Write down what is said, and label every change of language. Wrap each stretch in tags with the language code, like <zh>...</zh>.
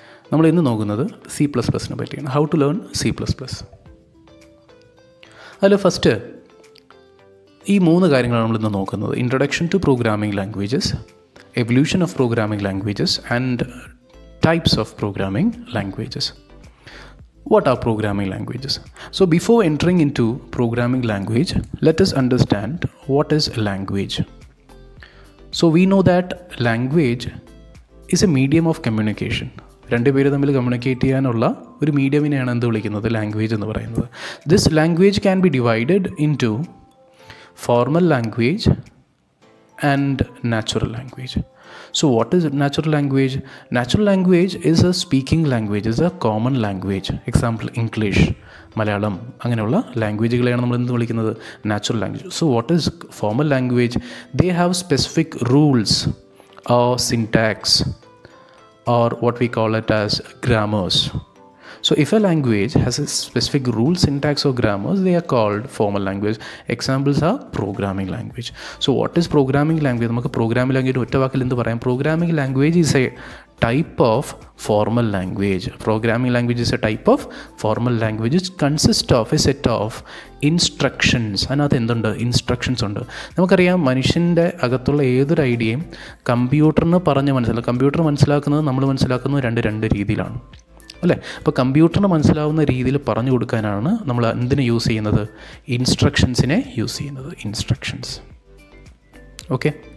<ml>നമ്മൾ ഇന്ന് നോക്കുന്നത് സി പ്ലസ് പ്ലസിനെ പറ്റിയാണ്,</ml> <en>How to learn C plus plus.</en> <ml>അതിൽ ഫസ്റ്റ് ഈ മൂന്ന് കാര്യങ്ങളാണ് നമ്മൾ ഇന്ന് നോക്കുന്നത്:</ml> <en>Introduction to programming languages, evolution of programming languages, and types of programming languages. What are programming languages? So before entering into programming language, let us understand what is a language. So we know that language is a medium of communication.</en> <ml>രണ്ട് പേര് തമ്മിൽ communicate ചെയ്യാനുള്ള ഒരു മീഡിയമിനെയാണ് എന്ത് വിളിക്കുന്നത്? Language എന്ന് പറയുന്നത്.</ml> <en>This language can be divided into formal language and natural language. So what is natural language? Natural language is a speaking language, is a common language.</en> <ml>Example, English, Malayalam, അങ്ങനെയുള്ള ലാംഗ്വേജുകളെയാണ് നമ്മൾ എന്ത് വിളിക്കുന്നത്?</ml> <en>Natural language. So what is formal language? They have specific rules or syntax or what we call it as grammars. So if a language has a specific rule, syntax or grammars, they are called formal language. Examples are programming language. So what is programming language?</en> <ml>നമുക്ക് programming language ഒറ്റ വാക്കിൽ എന്ത് പറയാം?</ml> <en>Programming language is a type of formal language. Programming language is a type of formal language. It consists of a set of instructions.</en> <ml>അതിനകത്ത് എന്തുണ്ട്? Instructions ഉണ്ട്. നമുക്കറിയാം, മനുഷ്യൻ്റെ അകത്തുള്ള ഏതൊരു ഐഡിയയും കമ്പ്യൂട്ടറിന് പറഞ്ഞ് മനസ്സിലാക്കുക, കമ്പ്യൂട്ടർ മനസ്സിലാക്കുന്നത് നമ്മൾ മനസ്സിലാക്കുന്നത് രണ്ട് രീതിയിലാണ് അല്ലേ. അപ്പോൾ കമ്പ്യൂട്ടറിന് മനസ്സിലാവുന്ന രീതിയിൽ പറഞ്ഞു കൊടുക്കാനാണ് നമ്മൾ എന്തിനെ യൂസ് ചെയ്യുന്നത്? ഇൻസ്ട്രക്ഷൻസിനെ യൂസ് ചെയ്യുന്നത്. Instructions, okay.</ml>